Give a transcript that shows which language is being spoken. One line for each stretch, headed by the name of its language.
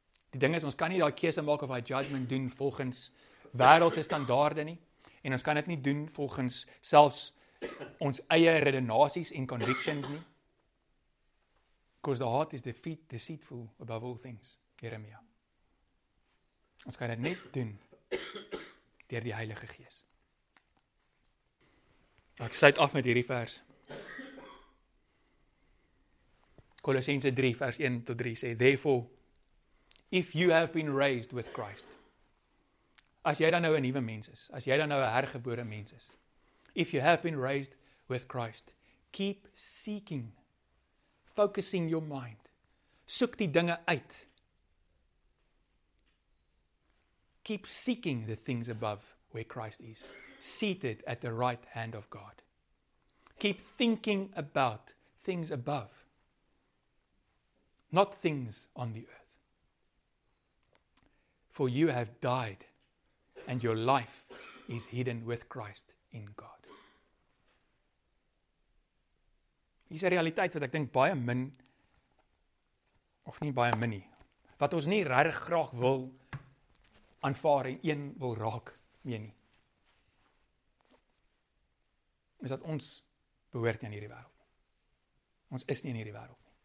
Afrikaans: Die ding is, ons kan nie daai keuse maak of daai judgment doen volgens wêreldse standaarde nie, en ons kan dit nie doen volgens selfs ons eie redenasies en convictions nie.
English: Because the heart is deceitful above all things, Jeremia.
Afrikaans: Ons kan dit net doen deur die Heilige Gees. Ek sluit af met hierdie vers.
English: Colossians 3 verse 1 to 3 say, therefore, if you have been raised with Christ,
Afrikaans: as jy dan nou 'n nuwe mens is,
English: as jy dan nou 'n hergebore mens is, if you have been raised with Christ, keep seeking, focusing your mind,
Afrikaans: soek die dinge uit.
English: Keep seeking the things above where Christ is, seated at the right hand of God. Keep thinking about things above, not things on the earth. For you have died, and your life is hidden with Christ in God.
Afrikaans: Hier is 'n realiteit wat ek dink baie min, of nie baie min nie, wat ons nie regtig graag wil aanvaar en een wil raak mee nie. Is dat ons behoort nie in hierdie wêreld. Ons is nie in hierdie wêreld.